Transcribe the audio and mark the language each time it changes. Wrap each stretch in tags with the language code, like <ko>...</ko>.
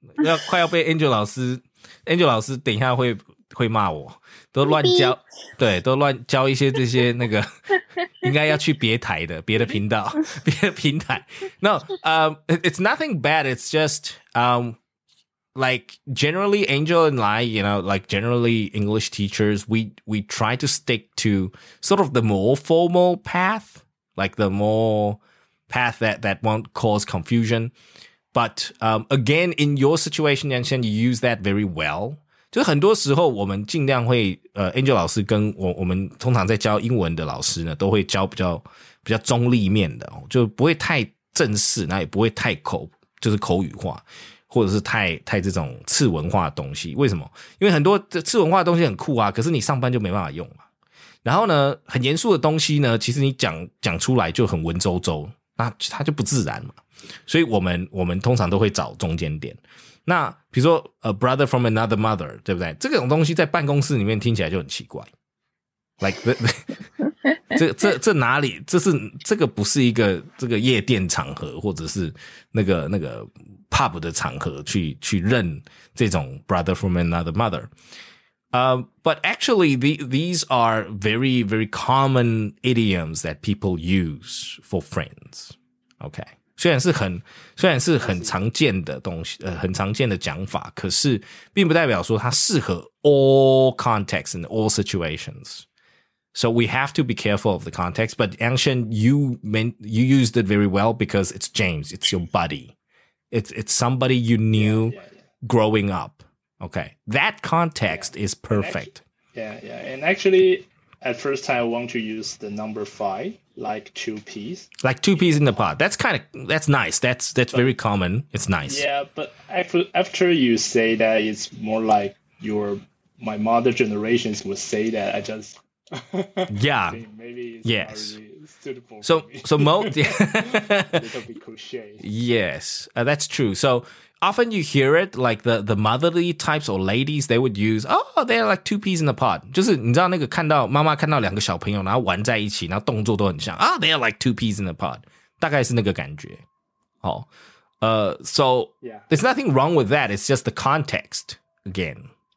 <zh>Angel老师等一下会骂我。都乱教一些这些那个应该要去别台的别的频道别的平台</zh> <en>No, it's nothing bad. It's just like generally Angel and I, you know, like generally English teachers, we try to stick to sort of the more formal path, like the more path that won't cause confusion. But again, in your situation, Yangchen, you use that very well.</en> <zh>就很多时候我们尽量会Angel 老师跟我们通常在教英文的老师呢都会教比较中立面的、哦、就不会太正式那也不会太口语化或者是太这种次文化的东西。为什么？因为很多次文化的东西很酷啊，可是你上班就没办法用嘛。然后呢很严肃的东西呢其实你讲出来就很文绉绉，那它就不自然嘛。所以我们通常都会找中间点。那比如说</zh> <en>a brother from another mother,</en> <zh>对不对？这种东西在办公室里面听起来就很奇怪。Like, 这哪里这个不是一个这个夜店场合或者是那个 pub 的场合去认这种</zh> <en>brother from another mother. But actually, these are very, very common idioms that people use for friends. Okay.</en> <zh>虽然是很常见的东西，很常见的讲法，可是并不代表说它适合</zh> <en>all contexts and all situations. So we have to be careful of the context. But Anshan, you used it very well because it's James, it's your buddy, it's somebody you knew growing up. Okay, that context is perfect. And actually, at first time, I want to use the number five, like two peas. Like two peas in the pot. That's nice. That's very common. It's nice. Yeah, but after you say that, it's more like my mother generations would say that. I just... Yeah. Maybe it's yes. Suitable so, for me. So, little bit cliche. Yes, that's true. So, often you hear it, like the motherly types or ladies, they would use, oh, they're like two peas in a pod.</en> <zh>就是你知道那个看到妈妈看到两个小朋友然后玩在一起然后动作都很像</zh> <en>oh, they're like two peas in a pod.</en> <zh>大概是那个感觉。好、oh, so,</zh> <en>yeah. There's nothing wrong with that. It's just the context again.</en>